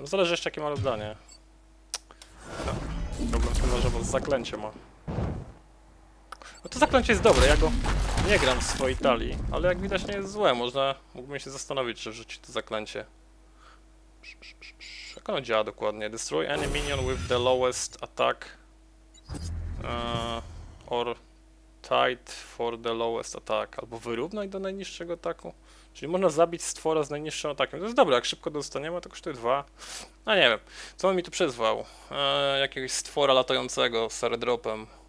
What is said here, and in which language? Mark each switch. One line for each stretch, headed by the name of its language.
Polish: No zależy jeszcze, jakie ma rozdanie. No, problem z tym, że on zaklęcie ma. No to zaklęcie jest dobre, ja go nie gram w swojej talii. Ale jak widać nie jest złe, mógłbym się zastanowić, czy wrzucić to zaklęcie. Jak ono działa dokładnie?
English: Destroy any minion with the lowest attack. Or...
Polish: Tight for the lowest attack, albo wyrównaj do najniższego ataku. Czyli można zabić stwora z najniższym atakiem. To jest dobre, jak szybko dostaniemy, to kosztuje 2. No nie wiem, co on mi tu przyzwał? Jakiegoś stwora latającego z airdropem.